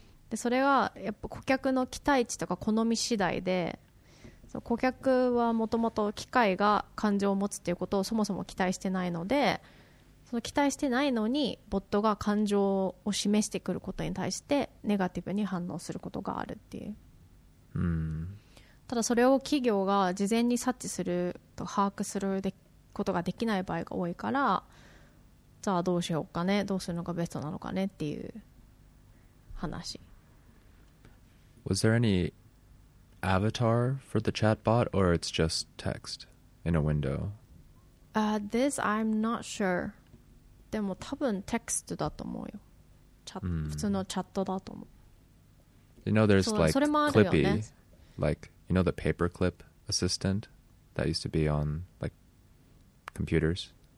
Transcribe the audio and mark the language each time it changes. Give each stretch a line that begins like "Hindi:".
Japanese: でそれはやっぱ顧客の期待値とか好み次第で、そう、顧客はもともと機械が感情を持つっていうことをそもそも期待してないので、その期待してないのにボットが感情を示してくることに対してネガティブに反応することがあるっていう。ただそれを企業が事前に察知すると把握することができない場合が多いから、じゃあどうしようかね、どうするのがベストなのかねっていう話。
English: Was there any avatar for the chatbot or it's just text in a window? This I'm not sure.
Japanese: でも多分テキストだと思うよ。普通のチャットだと思う。
English: You know, there's like Clippy, like, you know, the paperclip assistant that used to be on like computers?